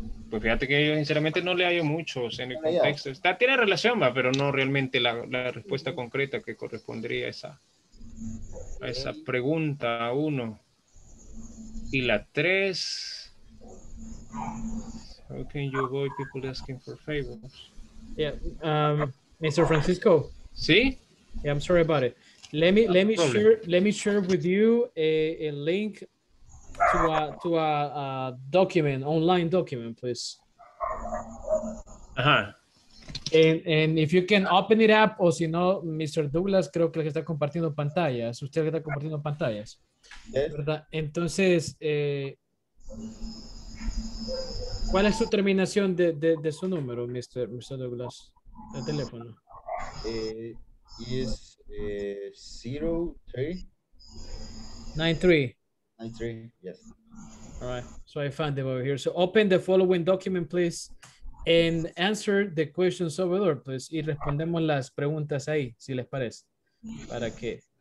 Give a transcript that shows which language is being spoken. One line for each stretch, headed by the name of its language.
Spanish: Pues fíjate que yo sinceramente no le hallo mucho, o sea, en el contexto. Está, tiene relación, va, pero no realmente la respuesta concreta que correspondería a esa pregunta. Uno. Y la tres.
English: How can you avoid people asking for favors? Yeah, Mr. Francisco.
Spanish: Sí.
English: Yeah, I'm sorry about it. Let me share with you a link to a document, online document, please.
Spanish: Ajá.
English: And if you can open it up,
Spanish: o si no, Mr. Douglas, creo que está compartiendo pantallas. Usted está compartiendo pantallas.
English: Yes.
Spanish: ¿Verdad? Entonces, ¿cuál es su terminación de su número, Mr. Douglas, de teléfono? Es 03 93 93.
English: Yes. All right, so I found them over here. So open the following document, please, and answer the questions over there, please.
Spanish: Y respondemos las preguntas ahí, si les parece. ¿Para qué?